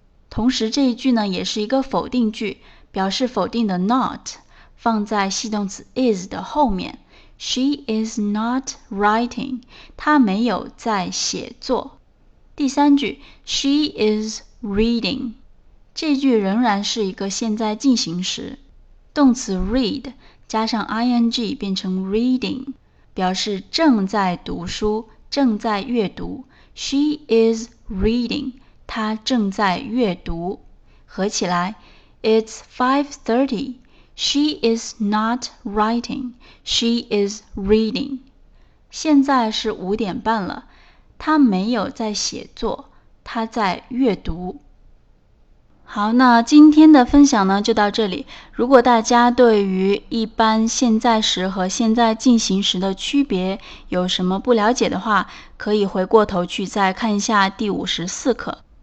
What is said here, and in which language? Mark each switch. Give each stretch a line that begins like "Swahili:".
Chinese: 同时这一句呢也是一个否定句，表示否定的 not 放在系动词 is 的后面。
English: She is not writing，
Chinese: 她没有在写作。第三句
English: She is reading，
Chinese: 这句仍然是一个现在进行时，动词 read 加上 ing 变成 reading， 表示正在读书，正在阅读。
English: She is reading，
Chinese: 他正在阅读。合起来
English: It's 5:30 She is not writing, she is reading。
Chinese: 现在是五点半了，他没有在写作，他在阅读。好，那今天的分享呢就到这里。如果大家对于一般现在时和现在进行时的区别有什么不了解的话，可以回过头去再看一下第54课。